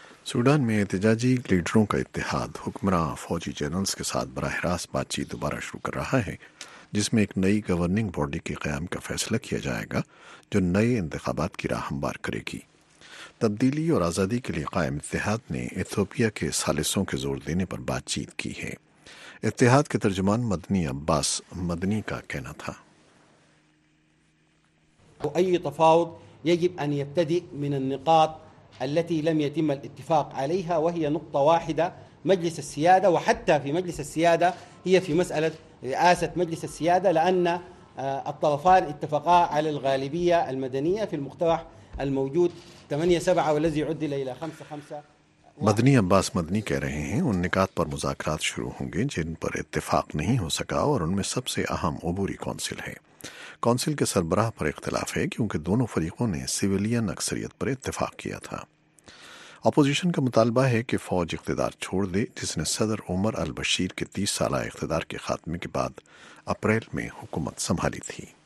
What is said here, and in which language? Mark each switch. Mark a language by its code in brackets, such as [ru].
[ur] Sudan میں احتجاجی لیڈروں کا اتحاد حکمراں فوجی جنرلز کے ساتھ براہ راست بات چیت دوبارہ شروع کر رہا ہے، جس میں ایک نئی گورننگ باڈی کے قیام کا فیصلہ کیا جائے گا جو نئے انتخابات کی راہ ہموار کرے گی۔ تبدیلی اور آزادی کے لیے قائم اتحاد نے ایتھوپیا کے سالسوں کے زور دینے پر بات چیت کی ہے۔ اتحاد کے ترجمان مدنی عباس مدنی کا کہنا تھا، [ar] اي تفاوض يجب ان يبتدي من النقاط التي لم يتم الاتفاق عليها وهي نقطه واحده مجلس السياده، وحتى في مجلس السياده هي في مساله رئاسة مجلس السيادة، لأن الطرفان اتفقا على الغالبية المدنية في المقترح الموجود 8-7 والذي عدل إلى 5-5۔ [ur] مدنی عباس مدنی کہہ رہے ہیں، ان نکات پر مذاکرات شروع ہوں گے جن پر اتفاق نہیں ہو سکا، اور ان میں سب سے اہم عبوری کونسل ہے۔ کونسل کے سربراہ پر اختلاف ہے کیونکہ دونوں فریقوں نے سیویلین اکثریت پر اتفاق کیا تھا۔ اپوزیشن کا مطالبہ ہے کہ فوج اقتدار چھوڑ دے، جس نے صدر عمر البشیر کے 30 سالہ اقتدار کے خاتمے کے بعد اپریل میں حکومت سنبھالی تھی۔